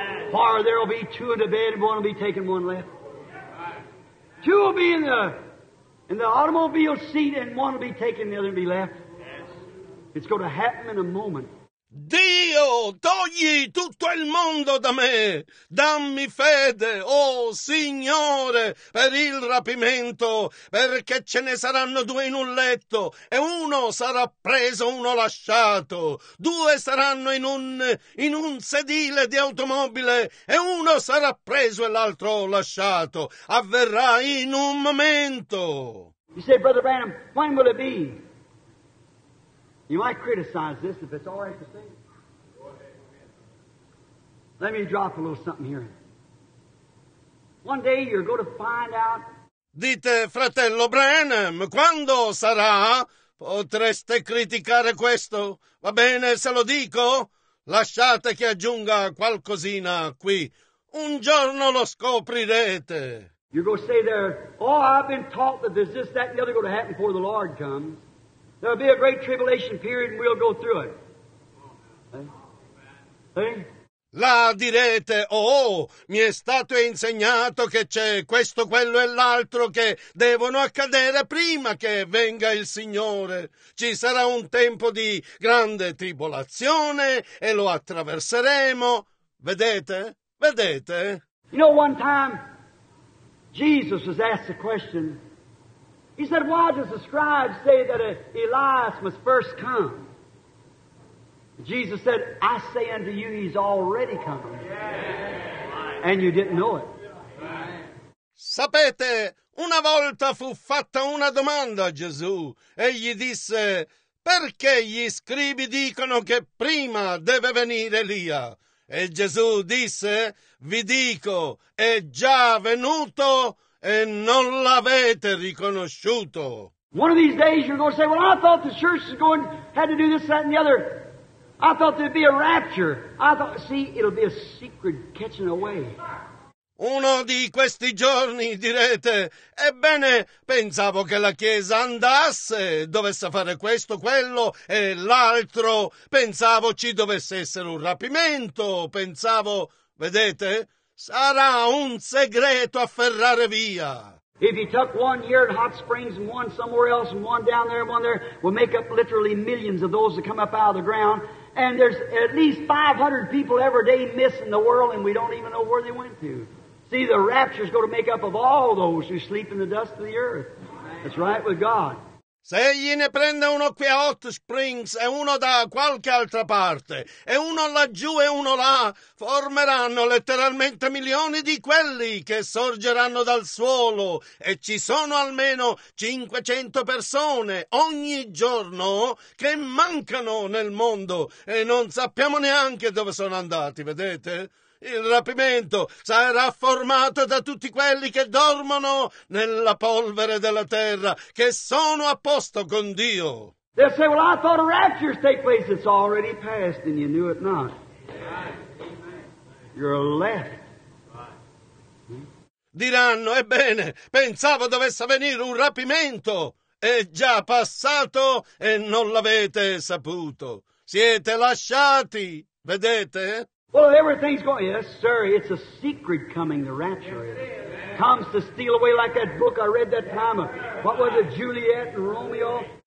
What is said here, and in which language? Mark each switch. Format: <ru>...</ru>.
<en>For there will be two in the bed and one will be taken, one left. Two will be in the automobile seat and one will be taken, the other will be left. It's going to happen in a moment.</en> <it>Dio, togli tutto il mondo da me. Dammi fede, oh Signore, per il rapimento, perché ce ne saranno due in un letto e uno sarà preso, uno lasciato. Due saranno in un sedile di automobile e uno sarà preso e l'altro lasciato. Avverrà in un momento.</it> <en>You say, Brother Branham, when will it be? You might criticize this if it's all right to say. Let me drop a little something here. One day you're going to find out.</en> <it>Dite, fratello Branham, quando sarà? Potreste criticare questo? Va bene se lo dico? Lasciate che aggiunga qualcosina qui. Un giorno lo scoprirete.</it> <en>You're going to say there, oh, I've been taught that there's this, that, and the other going to happen before the Lord comes. There'll be a great tribulation period and we'll go through it.</en> <it>La direte, oh, mi è stato insegnato che c'è questo, quello e l'altro che devono accadere prima che venga il Signore. Ci sarà un tempo di grande tribolazione e lo attraverseremo. Vedete? Vedete?</it> <en>You know, one time Jesus was asked a question. He said, why does the scribes say that Elias must first come? Jesus said, I say unto you, he's already come. And you didn't know it.</en> <it>Sapete, una volta fu fatta una domanda a Gesù. Egli disse, perché gli scribi dicono che prima deve venire Elia? E Gesù disse, vi dico, è già venuto e non l'avete riconosciuto.</it> <en>One of these days you're going to say, well, I thought the church is going had to do this, that, and the other. I thought there'd be a rapture. I thought, see, it'll be a secret catching away.</en> <it>Uno di questi giorni direte, ebbene, pensavo che la Chiesa andasse, dovesse fare questo, quello e l'altro. Pensavo ci dovesse essere un rapimento. Pensavo, vedete? Sarà un segreto a ferrare via.</it> <en>If you took one here at Hot Springs and one somewhere else and one down there and one there, we'll make up literally millions of those that come up out of the ground. And there's at least 500 people every day missing the world, and we don't even know where they went to. See, the rapture's going to make up of all those who sleep in the dust of the earth. That's right with God.</en> <it>Se egli ne prende uno qui a Hot Springs e uno da qualche altra parte, e uno laggiù e uno là, formeranno letteralmente milioni di quelli che sorgeranno dal suolo, e ci sono almeno 500 persone ogni giorno che mancano nel mondo e non sappiamo neanche dove sono andati, vedete? Il rapimento sarà formato da tutti quelli che dormono nella polvere della terra, che sono a posto con Dio.</it> <en>They'll say, well, I thought a rapture take place. It's already passed and you knew it not. You're left.</en> <it>Diranno, ebbene, pensavo dovesse venire un rapimento. È già passato e non l'avete saputo. Siete lasciati, vedete?</it> <en>Well, everything's going. Yes, sir. It's a secret coming. The rapture is. Comes to steal away like that book I read that time of. What was it, Juliet and Romeo?</en>